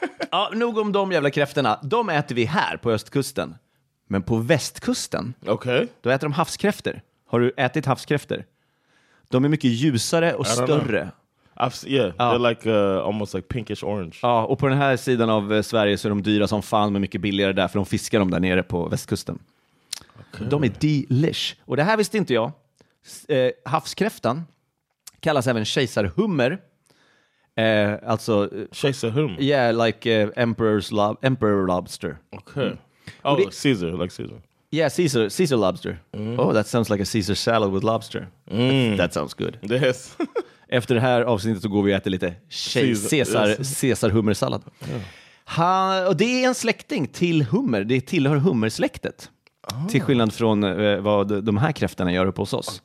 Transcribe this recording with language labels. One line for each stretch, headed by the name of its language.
Swedish: Ja, nog om de jävla kräfterna. De äter vi här på östkusten. Men på västkusten,
English: okay,
Swedish: då äter de havskräfter. Har du ätit havskräfter? De är mycket ljusare och större.
English: They're like almost like pinkish orange.
Swedish: Ja, och på den här sidan av Sverige så är de dyra som fan, men mycket billigare där, för de fiskar dem där nere på västkusten.
English: Okay.
Swedish: De är delish. Och det här visste inte jag. Havskräftan kallas även kejsarhummer. Alltså kejsarhummer.
English: Yeah, like emperor lobster. Okay. Mm. Oh, Caesar, like Caesar. Yeah, Caesar lobster. Mm. Oh, that sounds like a Caesar salad with lobster. Mm. That sounds good. Yes.
Swedish: Efter det här avsnittet så går vi och äter lite Caesar-hummersallad. Och det är en släkting till hummer. Det tillhör hummersläktet. Oh. Till skillnad från vad de här kräftarna gör uppe hos oss.